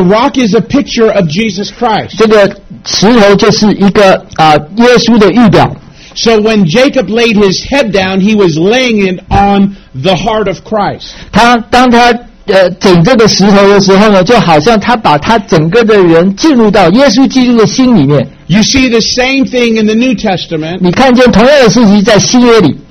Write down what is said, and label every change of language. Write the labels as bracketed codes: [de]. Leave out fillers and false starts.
[en] rock is a picture of Jesus Christ. [zh] 这个石头就是一个耶稣的预表。So [en] when Jacob laid his head down, he was laying it on the heart of Christ. [zh] 他整这个石头的时候呢，就好像他把他整个的人进入到耶稣基督的心里面。You [en] see the same thing in the New Testament. [zh] 你看见同样的事情在新约里。